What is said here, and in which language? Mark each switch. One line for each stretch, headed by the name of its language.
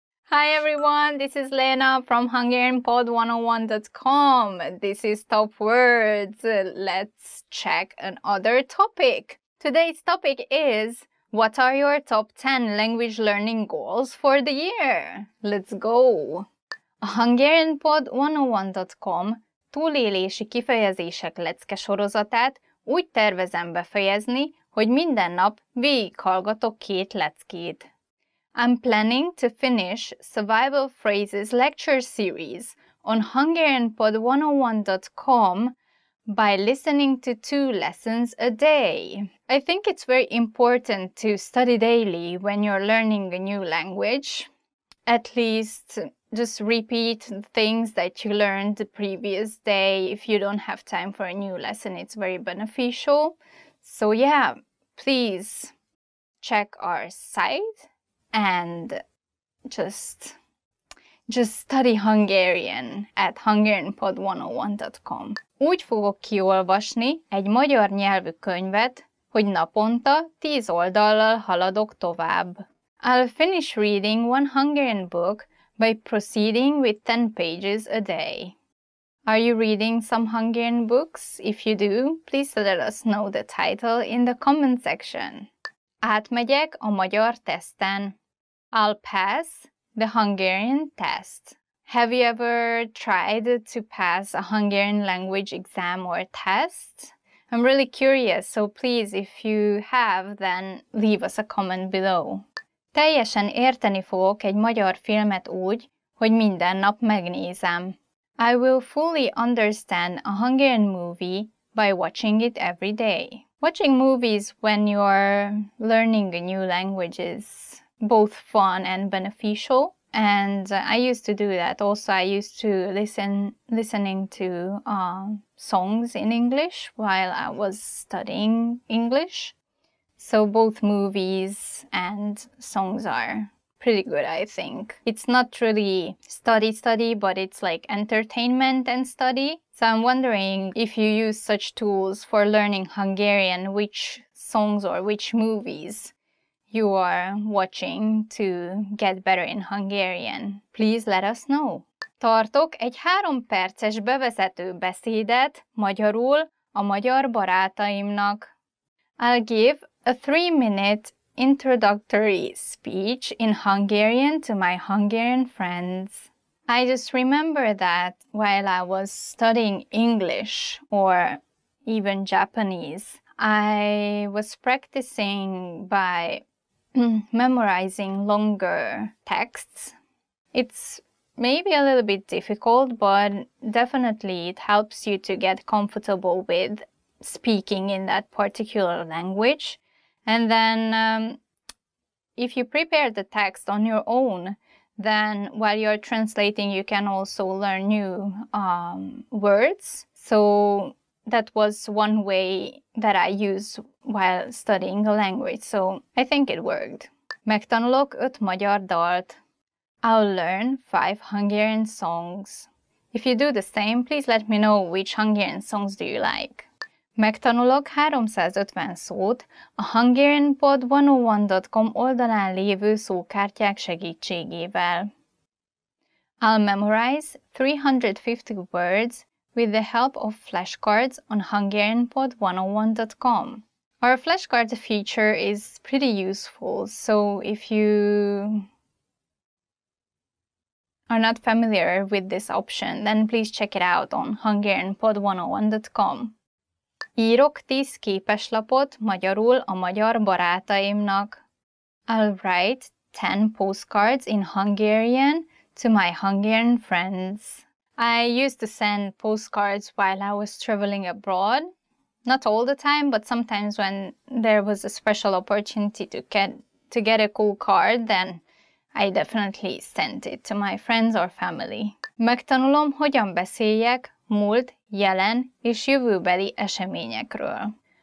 English: Hi everyone, this is Lena from HungarianPod101.com. This is Top Words. Let's check another topic. Today's topic is, what are your top 10 language learning goals for the year? Let's go.
Hungarian: HungarianPod101.com túlélési kifejezések lecke sorozatát úgy tervezem befejezni, hogy minden nap végighallgatok két leckét.
English: I'm planning to finish Survival Phrases Lecture Series on HungarianPod101.com by listening to two lessons a day. I think it's very important to study daily when you're learning a new language. At least just repeat things that you learned the previous day. If you don't have time for a new lesson, it's very beneficial. So yeah, please check our site and just study Hungarian at HungarianPod101.com.
Hungarian: Úgy fogok kiolvasni egy magyar nyelvű könyvet, hogy naponta 10 oldallal haladok tovább.
English: I'll finish reading one Hungarian book by proceeding with 10 pages a day. Are you reading some Hungarian books? If you do, please let us know the title in the comment section.
Hungarian: Átmegyek a magyar teszten.
English: I'll pass the Hungarian test. Have you ever tried to pass a Hungarian language exam or test? I'm really curious, so please, if you have, then leave us a comment below.
Hungarian: Teljesen érteni fogok egy magyar filmet úgy, hogy minden nap megnézem.
English: I will fully understand a Hungarian movie by watching it every day. Watching movies when you're learning a new language is both fun and beneficial. And I used to do that. Also, I used to listening to songs in English while I was studying English. So both movies and songs are pretty good, I think. It's not really study, but it's like entertainment and study. So I'm wondering if you use such tools for learning Hungarian, which songs or which movies you are watching to get better in Hungarian. Please let us know.
Hungarian: Tartok egy 3 perces bevezető beszédet magyarul a magyar barátaimnak.
English: I'll give a 3-minute introductory speech in Hungarian to my Hungarian friends. I just remember that while I was studying English or even Japanese, I was practicing by memorizing longer texts. It's maybe a little bit difficult, but definitely it helps you to get comfortable with speaking in that particular language. And then if you prepare the text on your own, then while you're translating, you can also learn new words. So that was one way that I use while studying a language. So I think it worked.
Hungarian: Megtanulok 5 magyar dalt.
English: I'll learn 5 Hungarian songs. If you do the same, please let me know which Hungarian songs do you like.
Hungarian: Megtanulok 350 szót a hungarianpod101.com oldalán lévő szókártyák segítségével.
English: I'll memorize 350 words with the help of flashcards on hungarianpod101.com. Our flashcards feature is pretty useful, so if you are not familiar with this option, then please check it out on hungarianpod101.com.
Hungarian: Írok 10 képeslapot magyarul a magyar barátaimnak.
English: I'll write 10 postcards in Hungarian to my Hungarian friends. I used to send postcards while I was traveling abroad. Not all the time, but sometimes when there was a special opportunity to get a cool card, then I definitely sent it to my friends or family.
Hungarian: Megtanulom, hogyan beszéljek múlt, jelen és jövőbeli eseményekről.